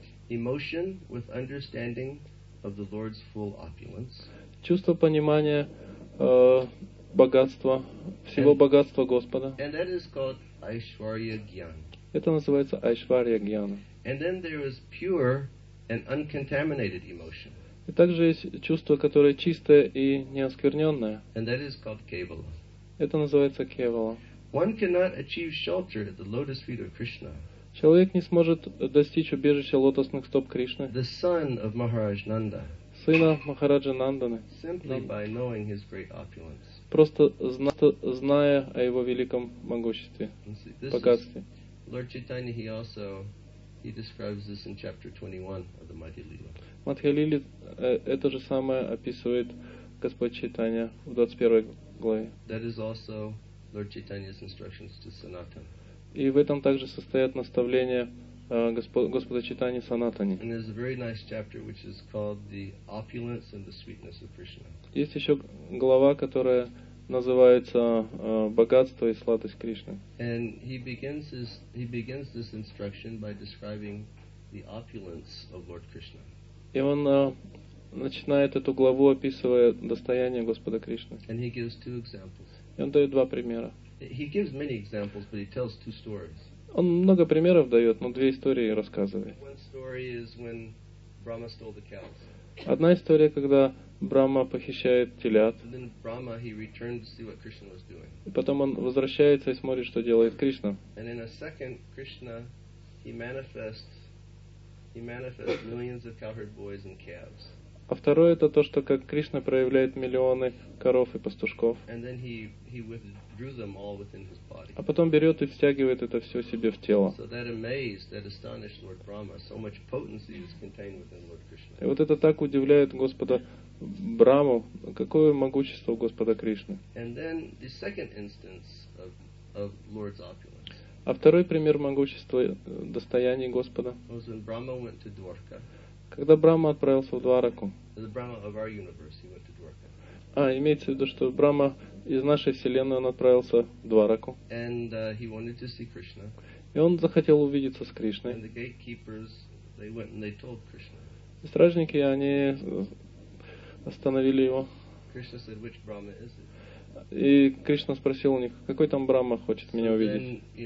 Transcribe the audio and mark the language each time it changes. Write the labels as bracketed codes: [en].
[en] Emotion with understanding of the Lord's full opulence. [ru] Чувство понимания богатства, всего богатства Господа. [en] And that is called Aishwarya Gyan. [ru] Это называется Айшварья Гьяна. [en] And then there is pure and uncontaminated emotion. [ru] И также есть чувство, которое чистое и неоскверненное. [en] And that is called Kevala. [ru] Это называется Кевала. [en] One cannot achieve shelter at the lotus feet of Krishna. [ru] Человек не сможет достичь убежища лотосных стоп Кришны. [en] The son of Maharaj Nanda. [ru] Сына Махараджа Нанданы. [en] Simply by knowing his great opulence. [ru] Просто зная о его великом могуществе, богатстве. [en] Lord Chaitanya, he describes this in chapter 21 of the Madhyalila. [ru] Мадхьялиле это же самое описывает Господь Чайтанья в 21 главе. [en] That is also Lord Chaitanya's instructions to Sanatana. [ru] И в этом также состоят наставления Господа Чайтаньи Санатани. [en] And there's a very nice chapter which is called the opulence and the sweetness of Krishna. [ru] Есть еще глава, которая называется «Богатство и сладость Кришны». [en] And he begins this instruction by describing the opulence of Lord Krishna. [ru] И он начинает эту главу, описывая достояние Господа Кришны. [en] And he gives two examples. [ru] И он дает два примера. [en] He gives many examples, but he tells two stories. [ru] Он много примеров дает, но две истории рассказывает. [en] One story is when Brahma stole the cows. [ru] Одна история, когда Брахма похищает телят. [en] And then Brahma, he returned to see what Krishna was doing. [ru] И потом он возвращается и смотрит, что делает Кришна. [en] And in a second, Krishna, he manifests millions of cowherd boys and calves. [ru] А второе это то, что как Кришна проявляет миллионы коров и пастушков. [en] And then he withdrew them all within his body. [ru] А потом берет и втягивает это все себе в тело. [en] So that amazed, that astonished Lord Brahma, so much potency is contained within Lord Krishna. [ru] И вот это так удивляет Господа Брахму, какое могущество у Господа Кришны. [en] And then the second instance of Lord's opulence. [ru] А второй пример могущества достояния Господа. [en] Was when Brahma went to Dwarka. [ru] Когда Брахма отправился в Двараку. [en] The Brahma of our universe, he went to Dwarka. [ru] А, имеется в виду, что Брахма из нашей вселенной он отправился в Двараку. [en] And, he wanted to see Krishna. [ru] И он захотел увидеться с Кришной. [en] And the gatekeepers, they went and they told Krishna. [ru] И стражники, они остановили его. [en] Krishna said, which Brahma is it? [ru] И Кришна спросил у них, какой там Брахма хочет меня увидеть?